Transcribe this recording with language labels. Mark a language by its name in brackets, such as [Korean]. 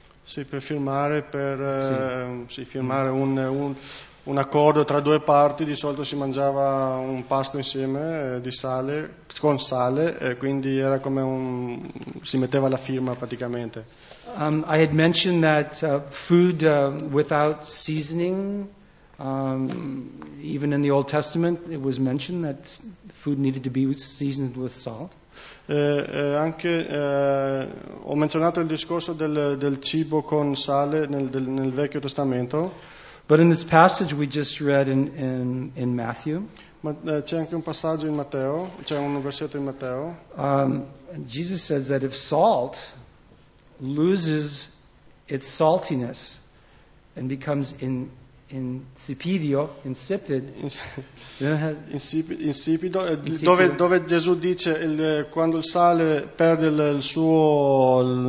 [Italian] Sì, per firmare, sì. Sì, firmare un accordo tra due parti, di solito si mangiava un pasto insieme di sale, con sale, e quindi era come si metteva la firma praticamente. [English] I had mentioned that food without seasoning, even in the Old Testament, it was mentioned that food needed to be seasoned with salt. [Italian] Ho menzionato il discorso del cibo con sale nel Vecchio Testamento. [English] But in this passage we just read in Matthew. [Italian] Ma c'è anche un passaggio in Matteo, c'è un versetto in Matteo. [English] Jesus says that if salt loses its saltiness and becomes insipido, [Italian] dove Gesù dice quando il sale perde il suo